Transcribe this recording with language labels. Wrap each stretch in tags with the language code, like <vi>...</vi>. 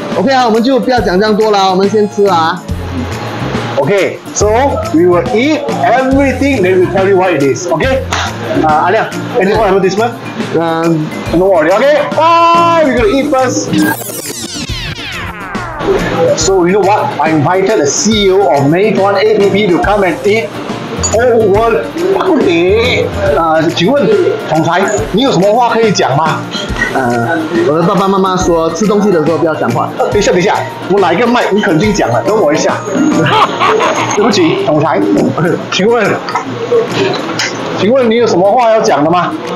<zh>Okay 啊，我们就不要讲这样多了，我们先吃啊。</zh> <en>Okay, so we will eat everything, then we'll tell you what it is. Okay? Ah Liang, any more advertisement? No worry, okay? Bye! We're gonna eat first. So, you know what? I invited the CEO of Meituan APP to come and eat old world Bak Kut Teh.</en> <zh>请问总裁，你有什么话可以讲吗？我的爸爸妈妈说吃东西的时候不要讲话。等一下，我拿一个麦，你肯定讲了，等我一下。对不起，总裁，请问你有什么话要讲的吗？</zh>